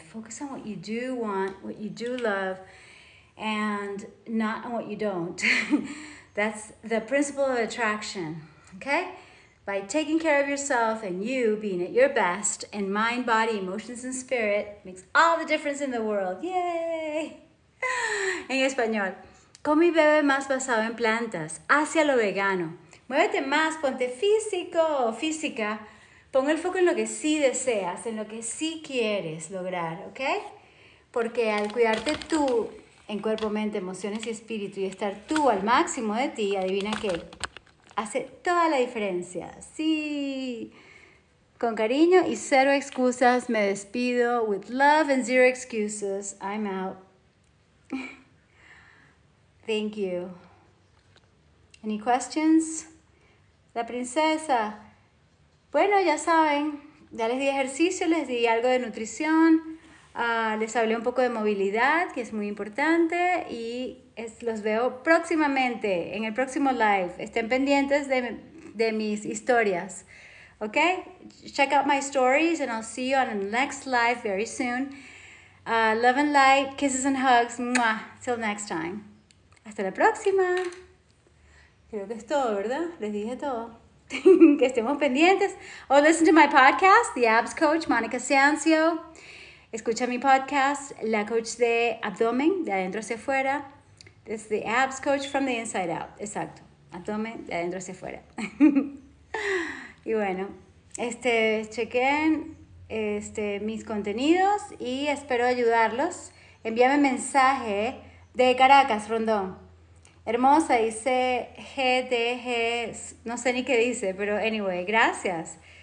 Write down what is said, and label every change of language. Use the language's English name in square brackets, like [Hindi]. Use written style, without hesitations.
[English] Focus on what you do want, what you do love, and not on what you don't. That's the principle of attraction, okay? By taking care of yourself and you being at your best in mind, body, emotions, and spirit makes all the difference in the world. Yay! [Spanish] En español, come y bebe más basado en plantas, hacia lo vegano. Muévete más, ponte físico o física. Pon el foco en lo que sí deseas, en lo que sí quieres lograr, okay? Porque al cuidarte tú, en cuerpo, mente, emociones y espíritu, y estar tú al máximo de ti, adivina qué, hace toda la diferencia. Sí, con cariño y cero excusas, me despido. [English] With love and zero excuses, I'm out. Thank you. Any questions? [Spanish] La princesa. Bueno, ya saben, ya les di ejercicio, les di algo de nutrición. Les hablé un poco de movilidad, que es muy importante, y los veo próximamente, en el próximo live. Estén pendientes de mis historias, ¿ok? [English] Check out my stories, and I'll see you on the next live very soon. Love and light, kisses and hugs, muah, till next time. [Spanish] ¡Hasta la próxima! Creo que es todo, ¿verdad? Les dije todo. Que estemos pendientes. [English] Oh, listen to my podcast, The Abs Coach, Monica Ciancio. [Spanish] Escucha mi podcast, La Coach de Abdomen, de adentro hacia afuera. [English] It's the Abs Coach from the inside out. [Spanish] Exacto. Abdomen, de adentro hacia afuera. Y bueno, chequen mis contenidos y espero ayudarlos. Envíame mensaje de Caracas, Rondón. Hermosa, dice GTG, no sé ni qué dice, pero anyway, gracias.